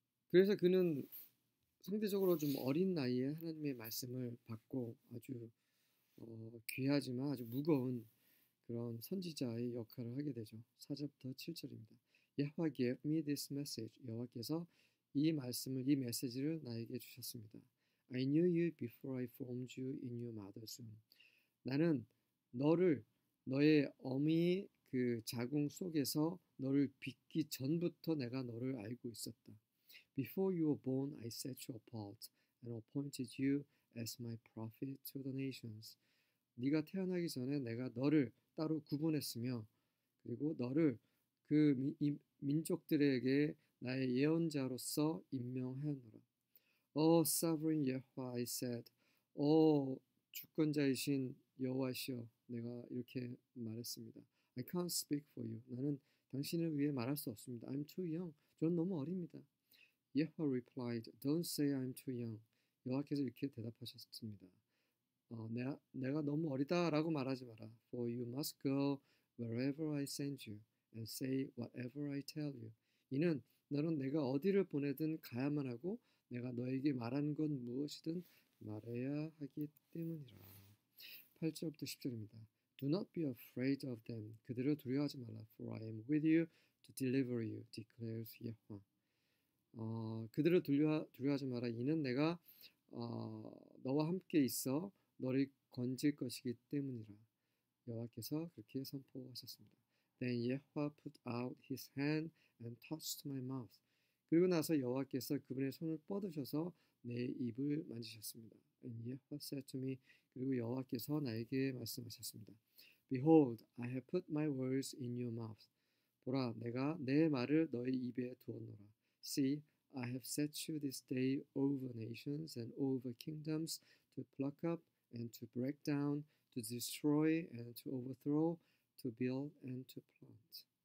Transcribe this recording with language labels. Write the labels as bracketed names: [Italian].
[Korean] 그래서 그는 상대적으로 좀 어린 나이에 하나님의 말씀을 받고 아주 귀하지만 아주 무거운 그런 선지자의 역할을 하게 되죠. 4절부터 7절입니다. [English] Yahweh gave me this message. [Korean] 여호와께서 이 말씀을, 이 메시지를 나에게 주셨습니다. [English] I knew you before I formed you in your mother's womb. [Korean] 나는 너를 너의 어미 그 자궁 속에서 너를 빚기 전부터 내가 너를 알고 있었다. [English] Before you were born, I set you apart and appointed you as my prophet to the nations. [Korean] 네가 태어나기 전에 내가 너를 따로 구분했으며, 그리고 너를 그 민족들에게 나의 예언자로서 임명하였노라. [English] Oh, Sovereign Yahweh, I said, Oh, [Korean] 주권자이신 여호와시여, 내가 이렇게 말했습니다. [English] I can't speak for you. [Korean] 나는 당신을 위해 말할 수 없습니다. [English] I'm too young. [Korean] 저는 너무 어립니다. [English] Yahweh replied, Don't say I'm too young. [Korean] 여호와께서 이렇게 대답하셨습니다. 내가 너무 어리다라고 말하지 마라. [English] For you must go wherever I send you and say whatever I tell you. [Korean] 이는 너는 내가 어디를 보내든 가야만 하고 내가 너에게 말한 건 무엇이든 말해야 하기 때문이라. 8절부터 10절입니다. [English] Do not be afraid of them. [Korean] 그들을 두려워하지 말라. [English] For I am with you to deliver you, declares Yahweh. [Korean] 그들을 두려워하지 마라. 이는 내가 너와 함께 있어 너를 건질 것이기 때문이라. 여호와께서 그렇게 선포하셨습니다. [English] Then Yahweh put out his hand and touched my mouth. [Korean] 그리고 나서 여호와께서 그분의 손을 뻗으셔서 내 입을 만지셨습니다. [English] And Yahweh said to me, [Korean] 그리고 여호와께서 나에게 말씀하셨습니다. [English] Behold, I have put my words in your mouth. [Korean] 보라, 내가 내 말을 너의 입에 두었노라. [English] See, I have set you this day over nations and over kingdoms to pluck up and to break down, to destroy and to overthrow, to build and to plant.